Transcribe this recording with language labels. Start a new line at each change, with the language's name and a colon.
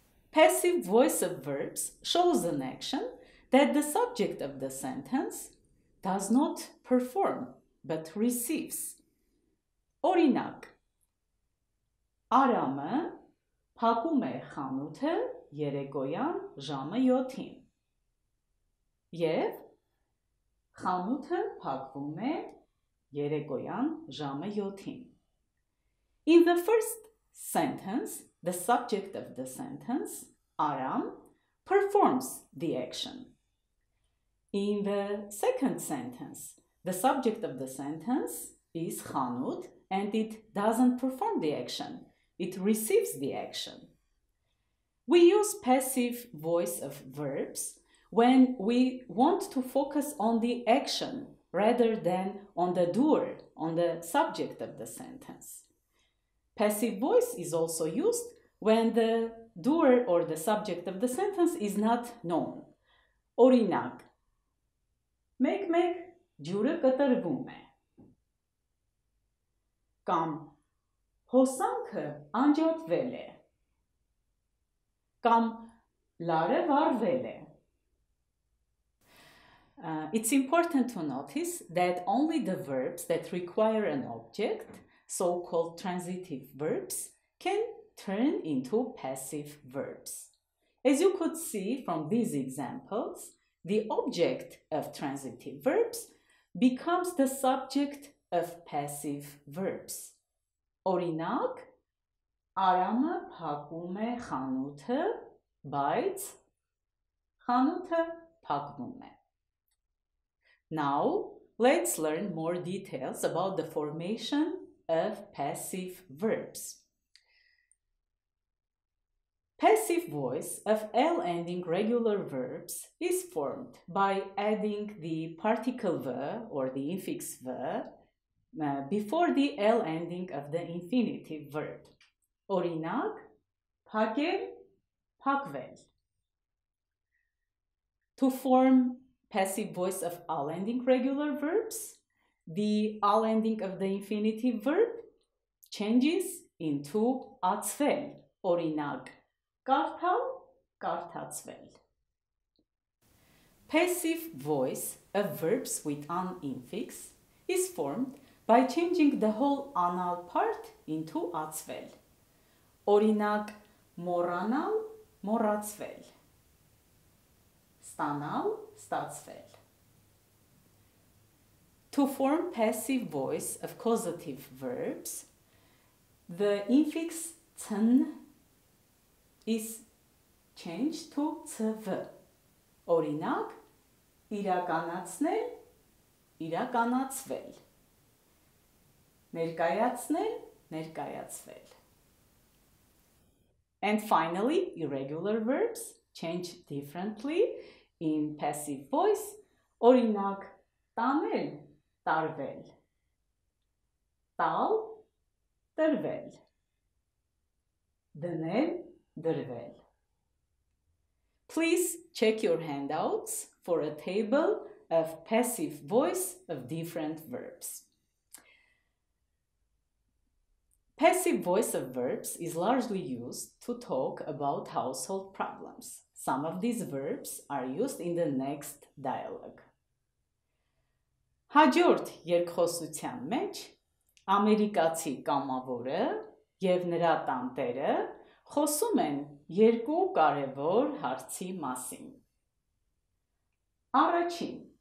English: Passive voice of verbs shows an action that the subject of the sentence does not perform but receives.
Armenian: Օրինակ, Արամը փակում է խանութը երեկոյան ժամը 7-ին։ Եվ խանութը փակվում է երեկոյան ժամը 7-ին։
English: In the first sentence, the subject of the sentence, Արամ, performs the action. In the second sentence, the subject of the sentence is խանութ, and it doesn't perform the action, it receives the action. We use passive voice of verbs when we want to focus on the action rather than on the doer, on the subject of the sentence. Passive voice is also used when the doer or the subject of the sentence is not known.
Armenian: Օրինակ, մեկ-մեկ ջուրը կտրվում է. Կամ հոսանքը անջատվել է, կամ լարը վառվել է.
English: It's important to notice that only the verbs that require an object, so-called transitive verbs, can turn into passive verbs. As you could see from these examples, the object of transitive verbs becomes the subject of passive verbs.
Armenian: Օրինակ, Արամը փակում է խանութը, բայց խանութը փակվում է.
English: Now, let's learn more details about the formation of passive verbs. Passive voice of L-ending regular verbs is formed by adding the particle V or the infix V before the L ending of the infinitive verb.
Armenian: Օրինակ, փակել, փակվել.
English: To form passive voice of all ending regular verbs, the all ending of the infinitive verb changes into ացվել.
Armenian: Օրինակ, կարդալ, կարդացվել.
English: Passive voice of verbs with an infix is formed by changing the whole anal part into ացվել.
Armenian: Օրինակ, մոռանալ, մոռացվել. Ստանալ, ստացվել.
English: To form passive voice of causative verbs, the infix ցն is changed to ցվ.
Armenian: Օրինակ, իրականացնել, իրականացվել. Ներկայացնել, ներկայացվել.
English: And finally, irregular verbs change differently in passive voice.
Armenian: Օրինակ, տանել, տարվել. Տալ, տրվել. Դնել, դրվել.
English: Please check your handouts for a table of passive voice of different verbs. Passive voice of verbs is largely used to talk about household problems. Some of these verbs are used in the next dialogue.
Armenian: Հաջորդ երկխոսության մեջ ամերիկացի կամավորը եւ նրա տանտերը խոսում են երկու կարևոր հարցի մասին. Առաջին.